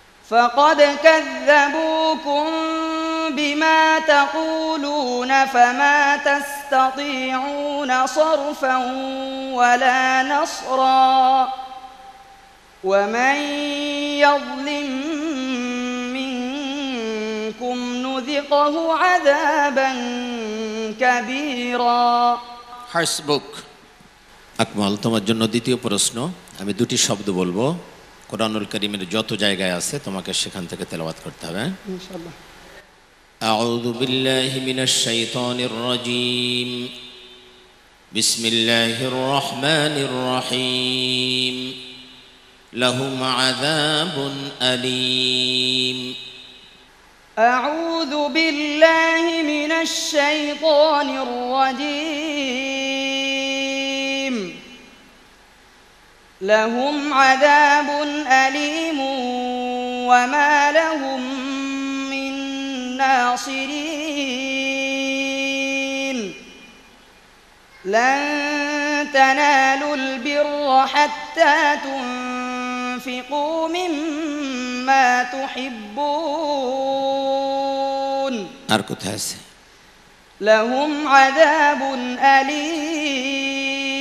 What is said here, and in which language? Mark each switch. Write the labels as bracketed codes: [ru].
[ar] فقد كذبوكم بما تقولون فما تستطيعون صرفا ولا نصرا ومن يظلم منكم نذقه عذابا كبيرا حسبك [bn] أكمل তোমার জন্য দ্বিতীয় প্রশ্ন আমি দুটি শব্দ বলবো কোরআনুল করিমের যত জায়গায় আছে তোমাকে সেখান থেকে তেলাওয়াত করতে হবে ইনশাআল্লাহ [ar] আউযু বিল্লাহি মিনাশ শাইতানির রাজীম বিসমিল্লাহির রহমানির রহিম লাহুম আযাবুন আলীম আউযু বিল্লাহি মিনাশ শাইতানির রাজীম لهم عذاب أليم وما لهم من ناصرين لن تنالوا البر حتى تنفقوا مما تحبون لهم عذاب أليم